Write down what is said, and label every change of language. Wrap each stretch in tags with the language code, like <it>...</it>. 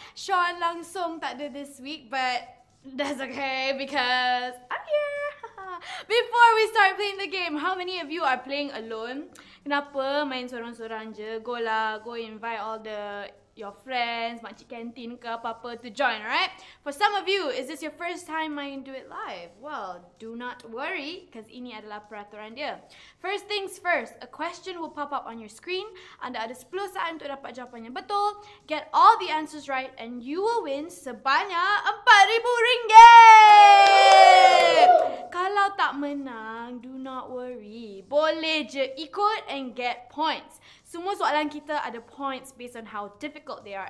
<en>Sean</en> <ms>langsung tak ada</ms> <en>this week, but that's okay because I'm here. Before we start playing the game, how many of you are playing alone?</en> <ms>Kenapa main sorang-sorang je?</ms> <en>Go lah, go invite all the your friends,</en> <ms>makcik kantin ke apa-apa</ms> <en>to join, right? For some of you, is this your first time main Dooit Live? Well, do not worry, because</en> <ms>ini adalah peraturan dia.</ms> <en>First things first, a question will pop up on your screen.</en> <ms>Anda ada 10 saat untuk dapat jawapannya betul.</ms> <en>Get all the answers right, and you will win sebanyak RM4,000!</en> <ms>Kalau tak menang,</ms> <en>do not worry.</en> <ms>Boleh je ikut</ms> <en>and get points.</en> <ms>Semua soalan kita ada</ms> <en>points based on how difficult they are.</en>